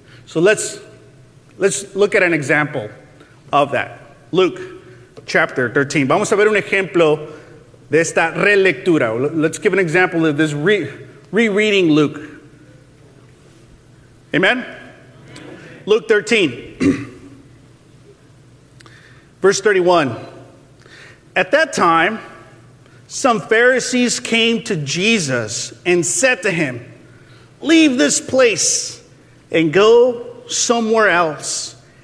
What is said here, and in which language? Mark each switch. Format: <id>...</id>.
<en>So let's look at an example of that. Luke chapter 13.</en> <es>Vamos a ver un ejemplo de esta relectura.</es> <en>Let's give an example of this rereading Luke. Amen? Luke 13. Verse 31, at that time, some Pharisees came to Jesus and said to him, leave this place and go somewhere else.</en>